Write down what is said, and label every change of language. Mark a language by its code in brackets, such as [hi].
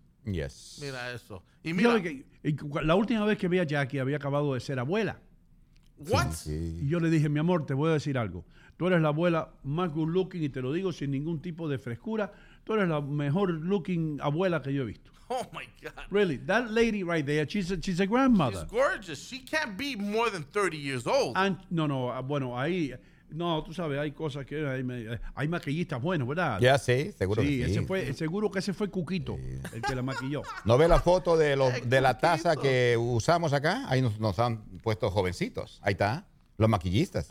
[en] Yes. [es] Mira eso. Y mira. La última vez que vi a Jackie, había acabado de ser abuela. [en] What? Sí. [es] Y yo le dije, mi amor, te voy a decir algo. Tú eres la abuela más good looking, y te lo digo sin ningún tipo de frescura, tú eres la mejor looking abuela que yo he visto. [en] Oh, my God. Really, that lady right there, she's a grandmother. She's gorgeous. She can't be more than 30 years old. And, [es] no, no, bueno, ahí... No, tú sabes, hay cosas que hay maquillistas buenos, ¿verdad? Ya, sí, seguro sí, que sí. Ese fue, seguro que ese fue Cuquito, sí. El que la maquilló. ¿No ve la foto de la taza que usamos acá? Ahí nos han puesto jovencitos. Ahí está, los maquillistas.